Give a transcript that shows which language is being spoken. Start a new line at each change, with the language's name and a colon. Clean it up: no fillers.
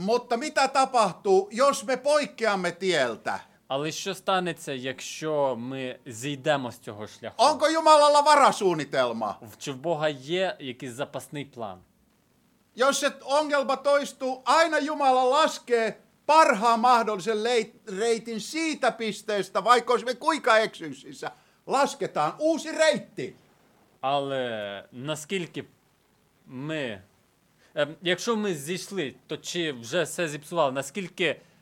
Finnish: Mutta mitä tapahtuu, jos me poikkeamme tieltä?
Ukrainian: Але що станеться, якщо ми зійдемо з цього шляху?
Finnish: Onko Jumalalla varasuunnitelma?
Ukrainian: Чи в Бога є якийсь запасний план?
Finnish: Jos se ongelma toistuu, aina Jumala laskee parhaan mahdollisen reitin siitä pisteestä, vaikka olisimme kuinka eksyisissä, lasketaan uusi reitti.
Ukrainian: Але наскільки ми... Якщо ми зійшли, то чи вже все зіпсувало? Наскільки...